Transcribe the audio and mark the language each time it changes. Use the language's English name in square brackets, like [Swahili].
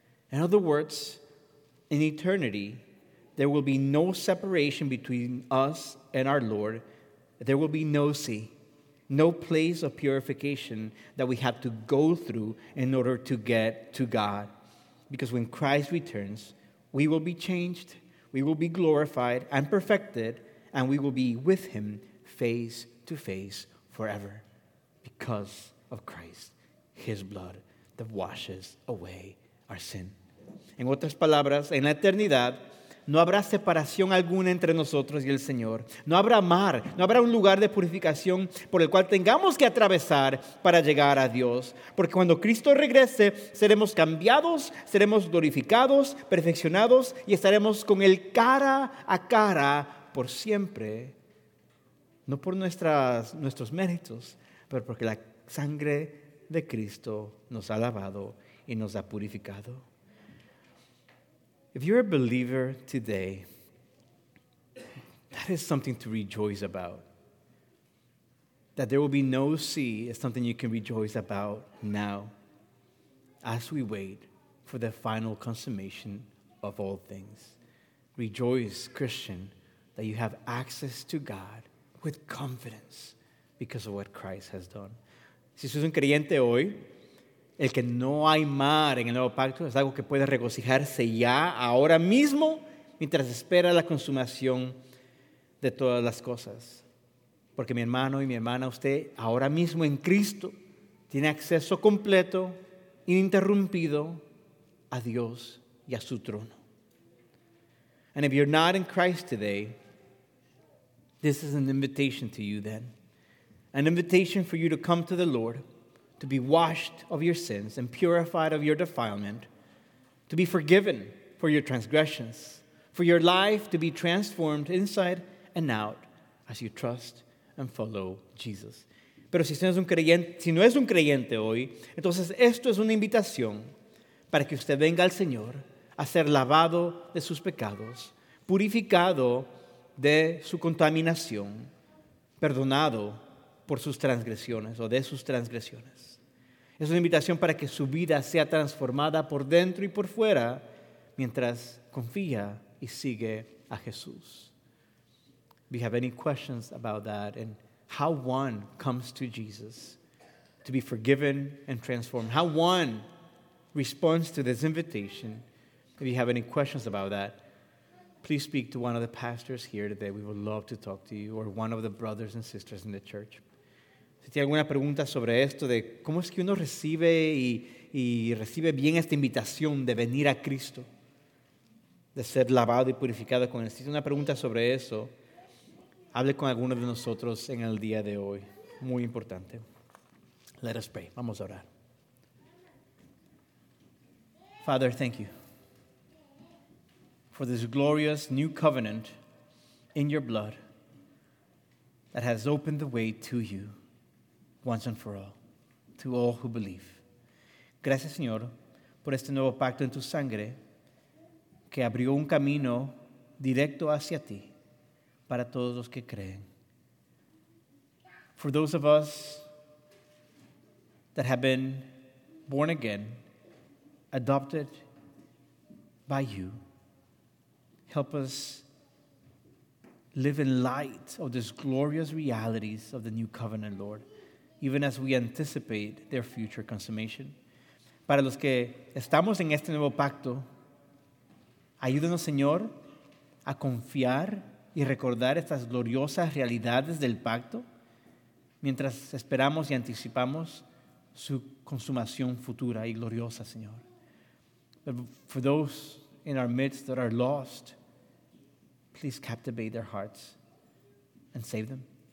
[English] In other words, in eternity, there will be no separation between us and our Lord. There will be no sea, no place of purification that we have to go through in order to get to God. Because when Christ returns, we will be changed, we will be glorified and perfected, and we will be with him face to face forever because of Christ, his blood that washes away our sin. [Spanish] En otras palabras, en la eternidad, no habrá separación alguna entre nosotros y el Señor. No habrá mar, no habrá un lugar de purificación por el cual tengamos que atravesar para llegar a Dios. Porque cuando Cristo regrese, seremos cambiados, seremos glorificados, perfeccionados y estaremos con Él cara a cara por siempre. No por nuestros méritos, pero porque la sangre de Cristo nos ha lavado y nos ha purificado. [English] If you're a believer today, that is something to rejoice about. That there will be no sea is something you can rejoice about now as we wait for the final consummation of all things. Rejoice, Christian, that you have access to God with confidence because of what Christ has done. [Spanish] Si sos un creyente hoy, el que no hay mar en el nuevo pacto es algo que puede regocijarse ya ahora mismo mientras espera la consumación de todas las cosas. Porque mi hermano y mi hermana, usted ahora mismo en Cristo tiene acceso completo, ininterrumpido a Dios y a su trono. [English] And if you're not in Christ today, this is an invitation to you then. An invitation for you to come to the Lord, to be washed of your sins and purified of your defilement, to be forgiven for your transgressions, for your life to be transformed inside and out as you trust and follow Jesus. [Spanish] Pero si no es un creyente hoy, entonces esto es una invitación para que usted venga al Señor a ser lavado de sus pecados, purificado de su contaminación, perdonado por sus transgresiones o de sus transgresiones. Es una invitación para que su vida sea transformada por dentro y por fuera mientras confía y sigue a Jesús. [English] If you have any questions about that and how one comes to Jesus to be forgiven and transformed, how one responds to this invitation, if you have any questions about that, please speak to one of the pastors here today. We would love to talk to you, or one of the brothers and sisters in the church. [Spanish] Si tiene alguna pregunta sobre esto, de cómo es que uno recibe y recibe bien esta invitación de venir a Cristo, de ser lavado y purificado con él. Si tiene una pregunta sobre eso, hable con alguno de nosotros en el día de hoy. Muy importante. [English] Let us pray. [Spanish] Vamos a orar. [English] Father, thank you for this glorious new covenant in your blood that has opened the way to you once and for all, to all who believe. [Spanish] Gracias, Señor, por este nuevo pacto en tu sangre que abrió un camino directo hacia ti para todos los que creen. [English] For those of us that have been born again, adopted by you, help us live in light of these glorious realities of the new covenant, Lord, even as we anticipate their future consummation. [Spanish] Para los que estamos en este nuevo pacto, ayúdanos, Señor, a confiar y recordar estas gloriosas realidades del pacto mientras esperamos y anticipamos su consumación futura y gloriosa, Señor. [English] But for those in our midst that are lost, please captivate their hearts and save them.